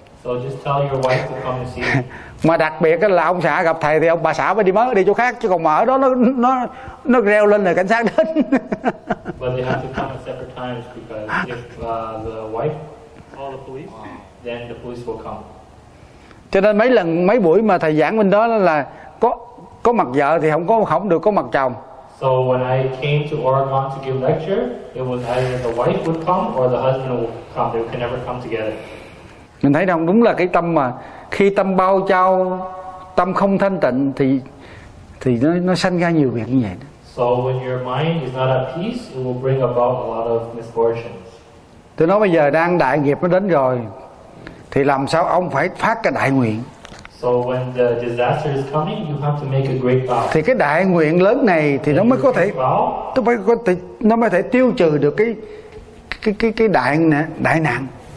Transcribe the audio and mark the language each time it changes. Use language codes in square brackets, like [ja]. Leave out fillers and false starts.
[en] So just tell your wife to come and see you. [vi] Mà đặc biệt là ông xã gặp thầy thì ông bà xã mới đi mất đi chỗ khác, chứ còn mà ở đó nó reo lên là cảnh sát đến. [en] But they have to come at separate times because if the wife call the police, then the police will come. [vi] Cho nên mấy lần mấy buổi mà thầy giảng bên đó là có mặt vợ thì không được có mặt chồng. [en] So when I came to Oregon to give lecture, it was either the wife would come or the husband would come. They could never come together. [vi] Mình thấy không, đúng là cái tâm mà khi tâm bao trao, tâm không thanh tịnh thì nó sanh ra nhiều việc như vậy. [en] So when your mind is not at peace, it will bring about a lot of misfortunes. [vi] Tôi nói bây giờ đang đại nghiệp nó đến rồi, thì làm sao ông phải phát cái đại nguyện. [en] So when the disaster is coming, you have to make a great vow. [vi] Thì cái đại nguyện lớn này thì nó mới có thể nó mới thể tiêu trừ được cái đại nạn.